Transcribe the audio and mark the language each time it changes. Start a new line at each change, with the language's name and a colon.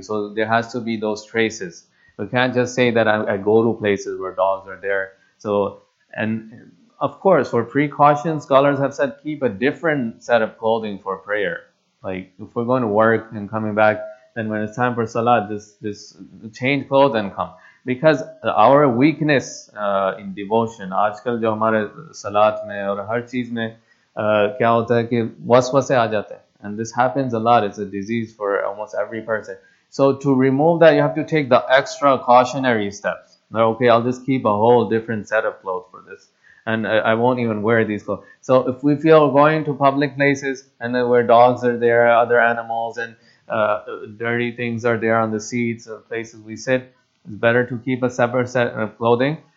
English: So there has to be those traces. We can't just say that I go to places where dogs are there. So, and of course, for precaution, scholars have said keep a different set of clothing for prayer. Like if we're going to work and coming back, then when it's time for salat, this change clothes and come. Because our weakness in devotion,
Urdu: آجکل جو ہمارے صلاۃ میں اور ہر چیز میں کیا ہوتا ہے کی وسوسے آ جاتے ہیں۔
English: And this happens a lot. It's a disease for almost every person. So to remove that, you have to take the extra cautionary steps. Like, okay, I'll just keep a whole different set of clothes for this. And I won't even wear these clothes. So if we feel going to public places and then where dogs are there, other animals, and dirty things are there on the seats or places we sit, it's better to keep a separate set of clothing.